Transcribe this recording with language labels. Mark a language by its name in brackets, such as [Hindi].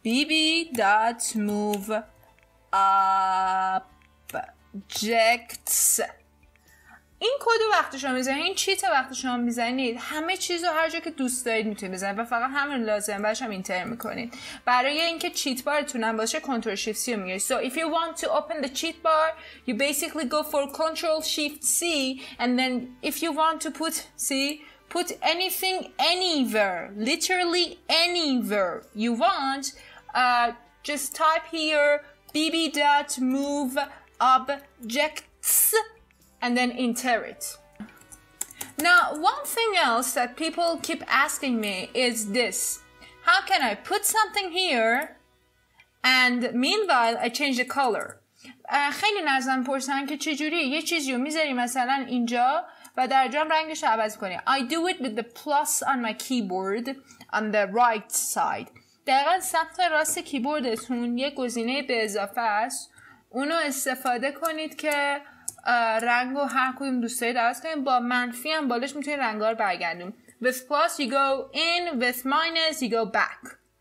[English] BB.move objects. [Persian] این کدو وقتی شما میزنید، این چیت وقتی شما میزنید، همه چیزو هر جا که دوست دارید میتونید بزنید و فقط همین لازم باشه هم اینتر میکنید. برای اینکه چیت بارتون هم باشه کنترل شیفت سی رو میگیرید. [English] So if you want to open the cheat bar, you basically go for control shift C, and then if you want to put C, put anything anywhere, literally anywhere you want, just type here bb.move objects and then enter it. Now, one thing else that people keep asking me is this. How can I put something here and meanwhile I change the color? [Persian] خیلی نازن پرسن که چجوری یه چیزی رو میذاری مثلا اینجا و در جام رنگش رو عوض کنی. [English] I do it with the plus on my keyboard on the right side. [Persian] دقیقا سمت راست کیبوردتون یه گزینه به اضافه است. اونو استفاده کنید که رنگ رو هر کدوم دوست دارید عوض کنید. با منفی هم بالش میتونید رنگ ها رو برگردونید. [English] With plus you go in, with minus you go back.